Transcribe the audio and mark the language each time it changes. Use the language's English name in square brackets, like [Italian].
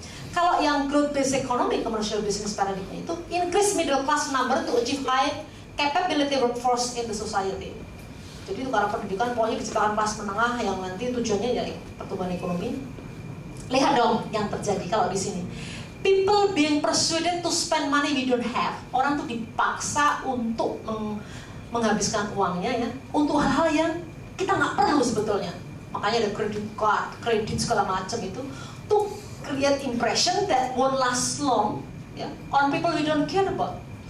[Indonesian] Kalau yang [English] growth based economy, commercial business paradigm itu increase middle class number to achieve high capability workforce in the society. [Indonesian] Jadi itu karena pendidikan, pokoknya diciptakan kelas menengah yang nanti tujuannya jadi pertumbuhan ekonomi. Lihat dong yang terjadi kalau di sini. [English] People being persuaded to spend money we don't have. [Indonesian] Orang tuh dipaksa untuk menghabiskan uangnya ya untuk hal-hal yang kita nggak perlu sebetulnya. Makanya ada [English] credit card, [Indonesian] kredit segala macam itu [English] to create impression that won't last long ya, on people we don't care about.